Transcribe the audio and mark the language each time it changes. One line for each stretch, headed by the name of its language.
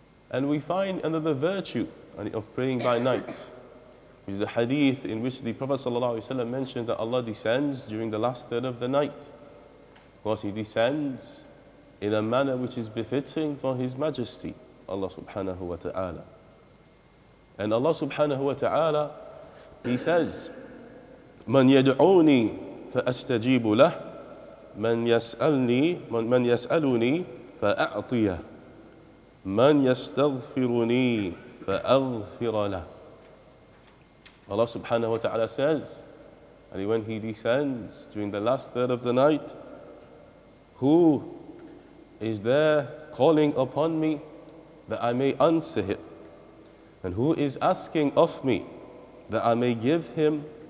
English: And we find another virtue of praying by night, which is a hadith in which the Prophet ﷺ mentioned that Allah descends during the last third of the night. Of course, He descends in a manner which is befitting for His Majesty, Allah subhanahu wa ta'ala. And Allah subhanahu wa ta'ala, He says,
Arabic: مَنْ يَدْعُونِي فَأَسْتَجِيبُ لَهُ مَنْ يَسْأَلُنِي فَأَعْطِيَهُ مَنْ يَسْتَغْفِرُنِي فَأَغْفِرَ لَهُ.
English: Allah subhanahu wa ta'ala says, and when He descends during the last third of the night, who is there calling upon me that I may answer him? And who is asking of me that I may give him?